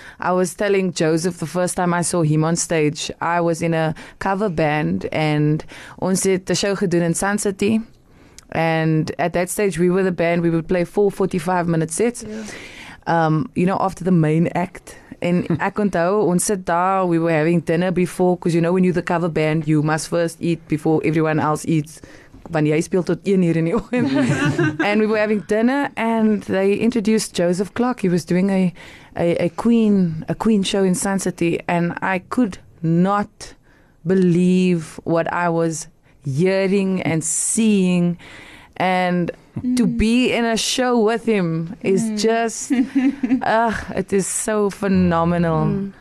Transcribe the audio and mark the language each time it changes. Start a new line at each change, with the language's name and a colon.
English: I was telling Joseph the first time I saw him on stage, I was in a cover band and
Afrikaans: ons het die show gedoen in Sun City.
English: And at that stage, we were the band. We would play 4 45-minute sets, you know, after the main act. And
Afrikaans: ek onthou, ons sit daar,
English: we were having dinner before, because you know when you're the cover band, you must first eat before everyone else eats.
Afrikaans: Wanneer jy speel tot 1 uur in die oggend.
English: And we were having dinner and they introduced Joseph Clark. He was doing a queen show in Sun City and I could not believe what I was hearing and seeing. And to be in a show with him is just, it is so phenomenal. Mm.